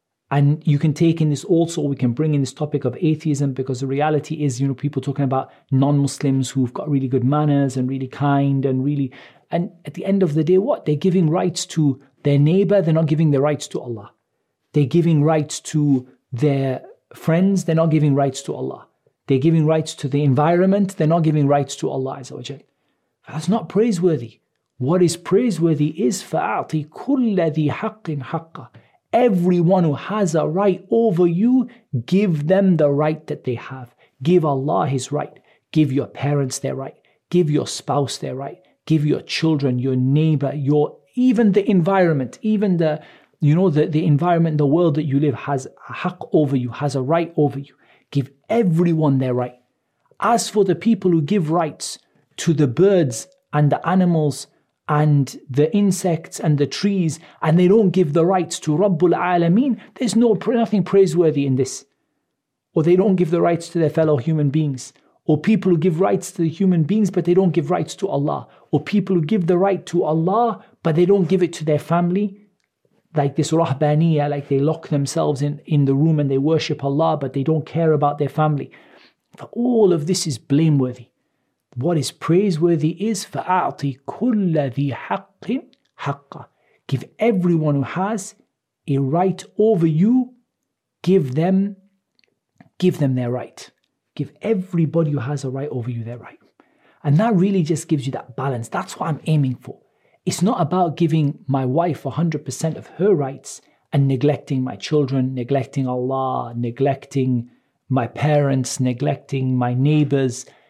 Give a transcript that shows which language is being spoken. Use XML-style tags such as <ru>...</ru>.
<en>And you can take in this also, we can bring in this topic of atheism, because the reality is, you know, people talking about non-Muslims who've got really good manners and really kind and really, and at the end of the day, what? They're giving rights to their neighbor, they're not giving their rights to Allah. They're giving rights to their friends, they're not giving rights to Allah. They're giving rights to the environment, they're not giving rights to Allah Azza wa Jal. That's not praiseworthy. What is praiseworthy is,</en> <ar>فَأَعْطِي كُلَّ ذِي حَقٍ حَقَّ.</ar> <en>Everyone who has a right over you, give them the right that they have. Give Allah his right. Give your parents their right. Give your spouse their right. Give your children, your neighbor, your even the environment, even the, you know, the environment, the world that you live has a haq over you, has a right over you. Give everyone their right. As for the people who give rights to the birds and the animals and the insects and the trees, and they don't give the rights to Rabbul Alameen, there's nothing praiseworthy in this. Or they don't give the rights to their fellow human beings. Or people who give rights to the human beings, but they don't give rights to Allah. Or people who give the right to Allah, but they don't give it to their family. Like this Rahbaniyah, like they lock themselves in the room and they worship Allah, but they don't care about their family. For all of this is blameworthy. What is praiseworthy is,</en> <ar>فَأَعْطِي كُلَّ ذِي حَقٍ حَقَّ.</ar> <en>Give everyone who has a right over you, give them their right. Give everybody who has a right over you their right. And that really just gives you that balance. That's what I'm aiming for. It's not about giving my wife 100% of her rights and neglecting my children, neglecting Allah, neglecting my parents, neglecting my neighbors.</en>